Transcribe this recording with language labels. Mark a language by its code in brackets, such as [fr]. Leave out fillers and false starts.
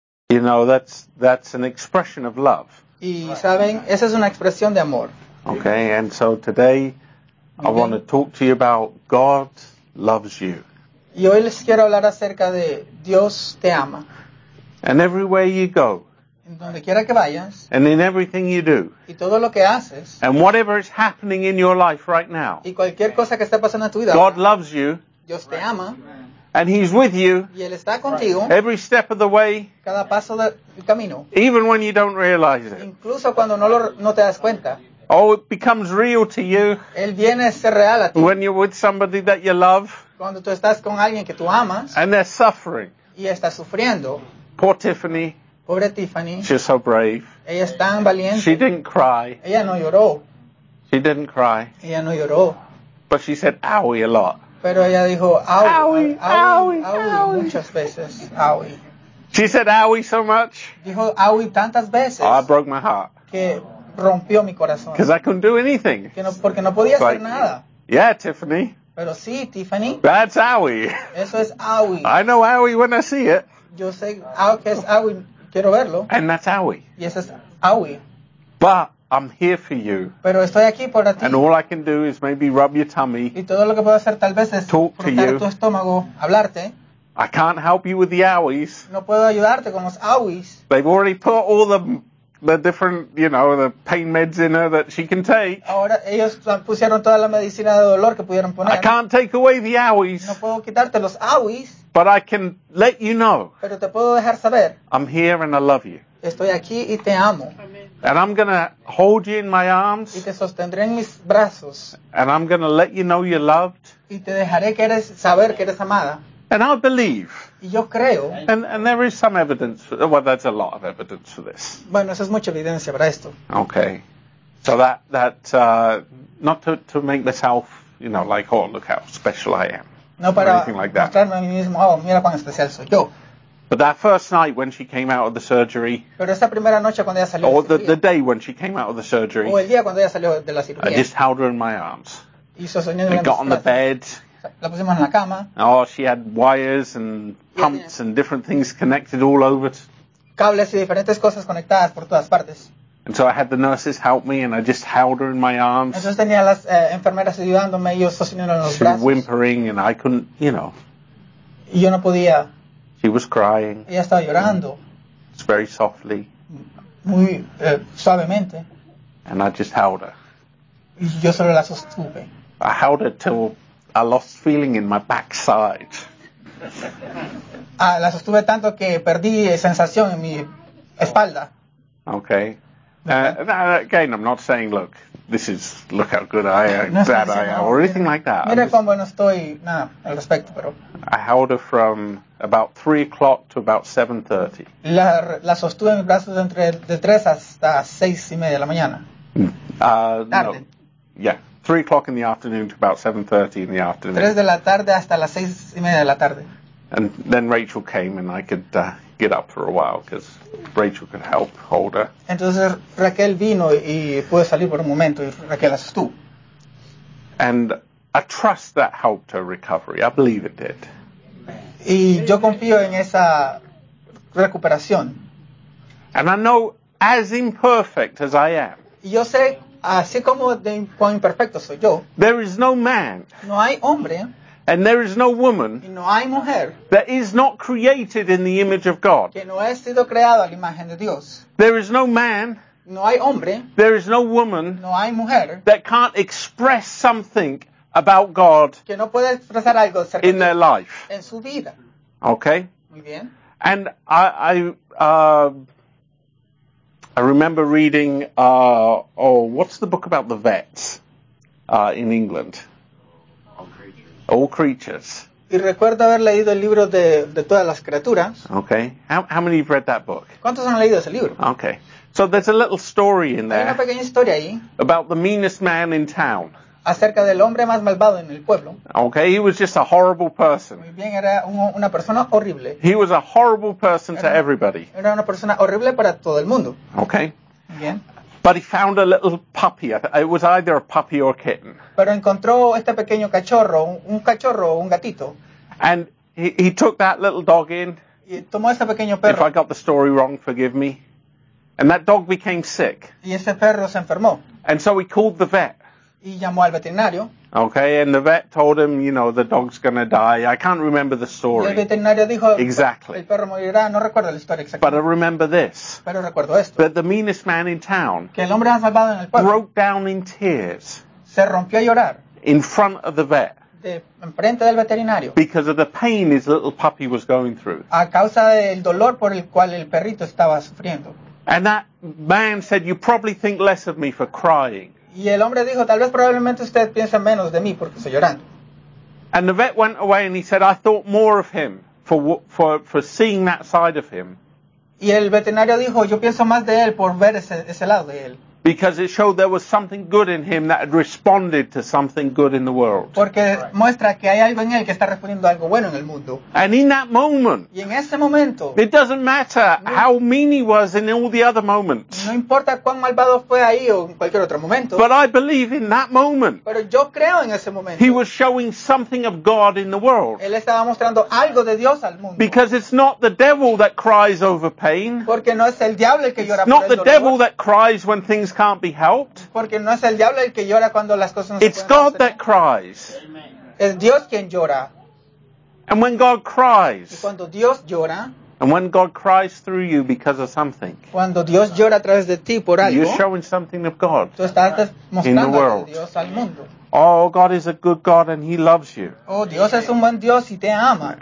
[en] You know, that's an expression of love. [es] Y saben, esa es una expresión de amor. [en] Okay, and so today I want to talk to you about God loves you. [es] Y hoy les quiero hablar acerca de Dios te ama. [en] And everywhere you go. [es] Donde quiera que vayas. [en] And in everything you do. [es] Y todo lo que haces. [en] And whatever is happening in your life right now. [es] Y cualquier cosa que esté pasando en tu vida. [en] God loves you. [es] Dios te ama. [en] And he's with you. [es] Y él está contigo. [en] Every step of the way. [es] Cada paso del camino. [en] Even when you don't realize it. [es] Incluso cuando no te das cuenta. [en] Oh, it becomes real to you. [es] Él viene a ser real a ti. [en] When you're with somebody that you love. [es] Cuando tú estás con alguien que tú amas. [en] And they're suffering. [es] Y está sufriendo. [en] Poor Tiffany. [es] Pobre Tiffany. [en] She's so brave. [es] Ella es tan valiente. [en] She didn't cry. [es] Ella no lloró. [en] She didn't cry. [es] Ella no lloró. [en] But she said, owie, a lot. [es] Pero ella dijo, [en] owie, [es] muchas veces, owie. [en] She said, owie so much. [es] Dijo, owie tantas veces. [en] Oh, I broke my heart. [es] Que rompió mi corazón. [en] Because I couldn't do anything. [es] Porque no podía hacer nada. [en] Yeah, Tiffany. [es] Pero sí, Tiffany. [en] That's owie. [es] Eso es owie. [en] I know owie when I see it. [es] Yo sé que es owie. Quiero verlo. [en] And that's owie. [es] Y eso es owie. [en] But I'm here for you. [es] Pero estoy aquí por ti. [en] And all I can do is maybe rub your tummy. [es] Y todo lo que puedo hacer tal vez es [en] talk to you. [es] Frotar tu estómago, hablarte. [en] I can't help you with the owies. [es] No puedo ayudarte con los owies. [en] They've already put all the the different, you know, the pain meds in her that she can take. [es] Ahora ellos pusieron toda la medicina de dolor que pudieron poner. [en] I can't take away the owies. [es] No puedo quitarte los owies. [en] But I can let you know. [es] Pero te puedo dejar saber. [en] I'm here and I love you. [es] Estoy aquí y te amo. [en] And I'm going to hold you in my arms. [es] Y te sostendré en mis brazos. [en] And I'm going to let you know you're loved. [es] Y te dejaré que eres, saber que eres amada. [en] And I believe. [es] Y yo creo. [en] And there is some evidence. Well, that's a lot of evidence for this. [es] Bueno, eso es mucha evidencia para esto. [en] Okay. So that not to make myself, you know, like, oh, look how special I am. [es] No para mostrarme a mí mismo. Oh, mira cuán especial soy yo. [en] But that first night when she came out of the surgery, [es] pero esa primera noche cuando ella salió [en] or [es] de la cirugía, [en] the day when she came out of the surgery, [es] o el día cuando ella salió de la cirugía, [en] I just held her in my arms. [es] Y sostenía [en] en got on the bed. [es] La pusimos en la cama. [en] Oh, she had wires and pumps and different things connected all over. [es] Cables y diferentes cosas conectadas por todas partes. [en] And so I had the nurses help me and I just held her in my arms. [es] Entonces tenía las enfermeras ayudándome y yo sosteniendo en los brazos. [en] She was whimpering and I couldn't, you know. [es] Y yo no podía. [en] She was crying. [es] Ella estaba llorando. [en] It's very softly. [es] Muy suavemente. [en] And I just held her. [es] Y yo solo la sostuve. [en] I held her till I lost feeling in my backside. [es] Ah, la sostuve tanto que perdí sensación en mi espalda. [en] Okay. Again, I'm not saying, look, this is, look how good I am, [es] no [en] bad I am, or anything like that. [es] Mira cuán bueno estoy, nada, al respecto, pero... [en] I held her from about 3 o'clock to about 7:30. [es] La sostuve en mis brazos entre, de 3 hasta 6 y media de la mañana. [en] No. Yeah, 3 o'clock in the afternoon to about 7:30 in the afternoon. [es] 3 de la tarde hasta las 6 y media de la tarde. [en] And then Rachel came and I could get up for a while because... Rachel could help hold her. [es] Entonces Raquel vino y pudo salir por un momento y Raquel estuvo. [en] And I trust that helped her recovery. I believe it did. [es] Y yo confío en esa recuperación. [en] And I know as imperfect as I am. [es] Yo sé así como de cuán imperfecto soy yo. [en] There is no man. [es] No hay hombre. [en] And there is no woman [es] no hay mujer [en] that is not created in the image of God. [es] Que no ha sido creado a la imagen de Dios. [en] There is no man. [es] No hay hombre. [en] There is no woman [es] no hay mujer [en] that can't express something about God [es] que no puede expresar algo acerca [en] in their life. [es] En su vida. [en] Okay. [es] Muy bien. [en] And I remember reading, what's the book about the vets in England? All creatures. [es] Y recuerdo haber leído el libro de todas las criaturas. [en] Okay. How many have read that book? [es] ¿Cuántos han leído ese libro? [en] Okay. So there's a little story in there. [es] Hay una pequeña historia ahí. [en] About the meanest man in town. [es] Acerca del hombre más malvado en el pueblo. [en] Okay. He was just a horrible person. [es] Muy bien, era una persona horrible. [en] He was a horrible person to everybody. [es] Era una persona horrible para todo el mundo. [en] Okay. [es] Bien. [en] But he found a little puppy. It was either a puppy or a kitten. [es] Pero encontró este pequeño cachorro, un gatito. [en] And he took that little dog in. [es] Y tomó ese pequeño perro. [en] If I got the story wrong, forgive me. And that dog became sick. [es] Y ese perro se enfermó. [en] And so he called the vet. [es] Y llamó al veterinario. [en] Okay, and the vet told him, you know, the dog's going to die. I can't remember the story. [es] Y el veterinario dijo, [en] exactly. [es] El perro morirá. No recuerdo la historia exacta. [en] But I remember this. [es] Pero recuerdo esto. [en] But the meanest man in town [es] que el hombre ha salvado en el pueblo [en] broke down in tears. [es] Se rompió a llorar. [en] In front of the vet. [es] En frente del veterinario. [en] Because of the pain his little puppy was going through. [es] A causa del dolor por el cual el perrito estaba sufriendo. [en] And that man said, you probably think less of me for crying. [es] Y el hombre dijo, tal vez probablemente usted piensa menos de mí porque estoy llorando. [en] And the vet went away and he said, I thought more of him for seeing that side of him. [es] Y el veterinario dijo, yo pienso más de él por ver ese lado de él. [en] Because it showed there was something good in him that had responded to something good in the world. [es] Porque muestra que hay algo en él que está respondiendo a algo bueno en el mundo. [en] And in that moment, [es] y en ese momento, [en] it doesn't matter how mean he was in all the other moments. [es] No importa cuán malvado fue ahí o en cualquier otro momento. [en] But I believe in that moment, [es] pero yo creo en ese momento, [en] he was showing something of God in the world. [es] Él estaba mostrando algo de Dios al mundo. [en] Because it's not the devil that cries over pain. [es] Porque no es el diablo el que llora por el dolor. [en] Not the devil that cries when things can't be helped. [es] Porque no es el diablo el que llora cuando las cosas no se pueden. [en] It's God that cries. [es] Es Dios quien llora. [en] And when God cries, [es] y cuando Dios llora, [en] And when God cries through you because of something, [es] cuando Dios llora a través de ti por algo, [en] you're showing something of God [es] tú estás mostrando [en] in the world. [es] A Dios al mundo. [en] Oh, God is a good God and He loves you. [es] Oh, Dios es un buen Dios y te ama.